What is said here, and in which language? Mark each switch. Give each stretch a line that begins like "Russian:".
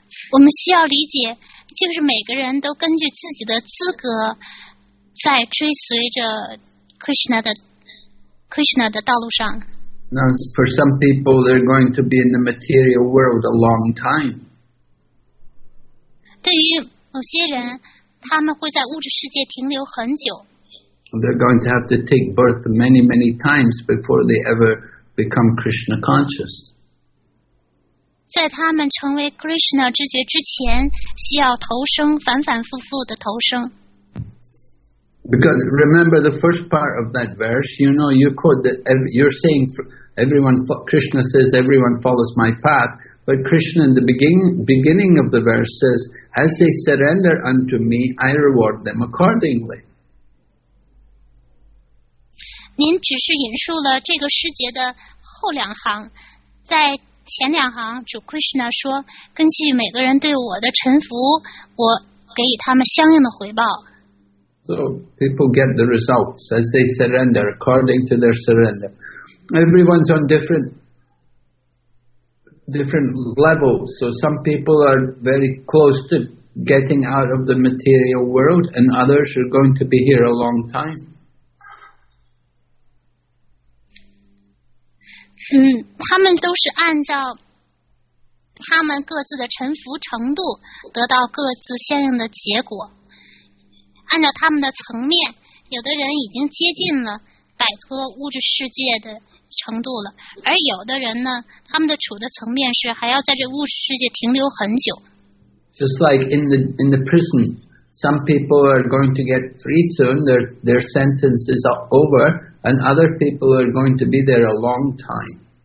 Chinese: 我们需要理解，就是每个人都根据自己的资格在追随着 Krishna 的道路上。
English: Now, for some people, they're going to be in the material world a long time.
Chinese: 对于某些人，他们会在物质世界停留很久。
English: they're going to have to take birth many, many times before they ever become Krishna conscious.
Chinese: 在他们成为 Krishna 知觉之前，需要投生，反反复复的投生。
English: Because remember the first part of that verse, you know, you quote that you're saying everyone, Krishna says everyone follows my path, but Krishna in the beginning of the verse says, as they surrender unto me, I reward them accordingly.
Chinese: 您只是引述了这个诗节的后两行，在前两行主 Krishna 说，根据每个人对我的臣服，我给予他们相应的回报。
English: So people get the results as they surrender, according to their surrender. Everyone's on different levels. So some people are very close to getting out of the material world, and others are going to be here a long time.
Chinese: 他们都是按照他们各自的臣服程度得到各自相应的结果。按照他们的层面，有的人已经接近了摆脱物质世界的程度了，而有的人呢，他们的处的层面是还要在这物质世界停留很久。
English: Just like in the prison, some people are going to get free soon, their sentence is over, and other people are going to be there a long time.